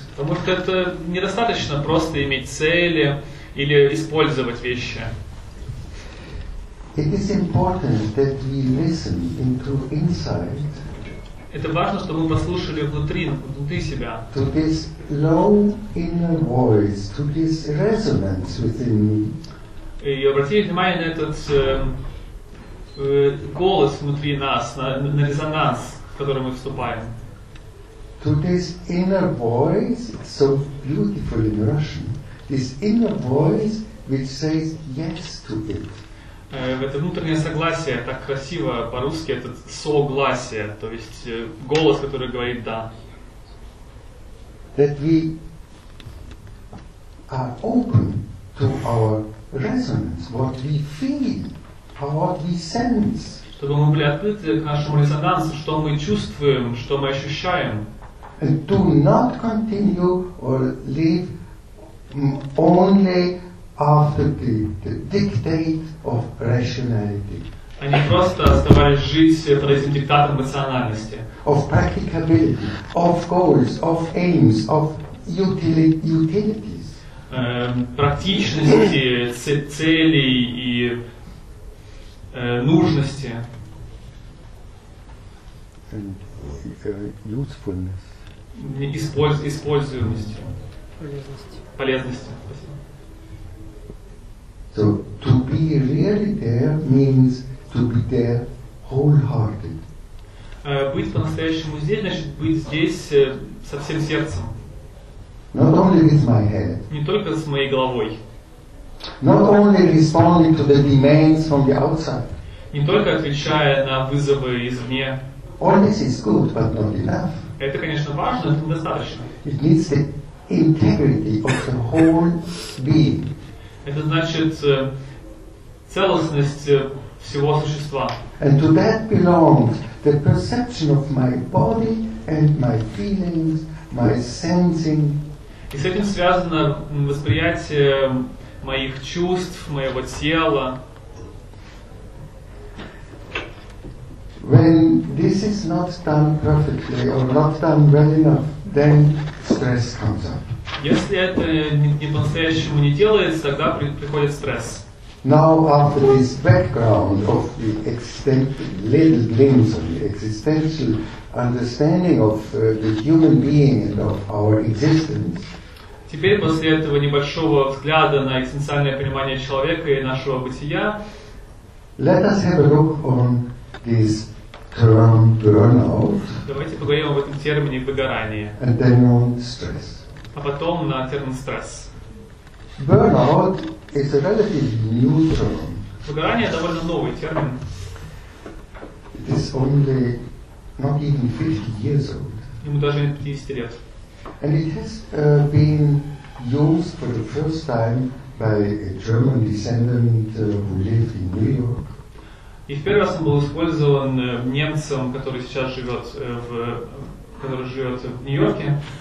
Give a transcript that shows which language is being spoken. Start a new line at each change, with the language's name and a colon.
Russian: Потому что это недостаточно просто иметь цели или использовать вещи.
English: It is important that we listen into inside.
Russian: Это важно, чтобы мы послушали внутри себя.
English: To this low inner voice, to this resonance within me.
Russian: И обратите внимание на этот голос внутри нас, на резонанс, в который мы вступаем.
English: To this inner voice, it's so beautiful in Russian. This inner voice which says yes to it.
Russian: Это внутреннее согласие, так красиво по-русски, это согласие, то есть голос, который говорит «да».
English: That we are open to our resonance, what we feel, what we sense.
Russian: Чтобы мы были открыты к нашему резонансу, что мы чувствуем, что мы ощущаем.
English: And do not continue or live only after the dictate of rationality.
Russian: А не просто оставаясь жить под этим диктатом рациональности.
English: Of practicability, of goals, of aims, of utilities.
Russian: Практичности, целей и нужности.
English: And usefulness.
Russian: Используемости. Полезности.
English: So to be really there means to be there wholehearted.
Russian: быть по-настоящему здесь, значит быть здесь со всем сердцем.
English: Not only with my head.
Russian: Не только с моей головой.
English: Not only responding to the demands from the outside.
Russian: Не только отвечая на вызовы извне.
English: All this is good, but not enough.
Russian: Это, конечно, важно, но недостаточно.
English: It needs the integrity of the whole being.
Russian: Это значит целостность всего существа.
English: And to that belongs the perception of my body and my feelings, my sensing.
Russian: И с этим связано восприятие моих чувств, моего тела.
English: When this is not done perfectly or not done well enough, then stress comes up.
Russian: Если это не по-настоящему не делается, тогда приходит стресс.
English: Now after this background of the existential, little glimpse of the existential understanding of the human being and of our existence.
Russian: Теперь после этого небольшого взгляда на экзистенциальное понимание человека и нашего бытия.
English: Let us have a look on this term burnout.
Russian: Давайте поговорим об этом термине выгорание.
English: And then on stress.
Russian: А потом на термин стресс.
English: Burnout is a relatively new term.
Russian: Выгорание довольно новый термин.
English: It is only not even 50 years old.
Russian: Ему даже нет 50 лет.
English: And it has been used for the first time by a German descendant who lived in New York.
Russian: И в первый раз он был использован немцем, который сейчас живет в, который живет в Нью-Йорке.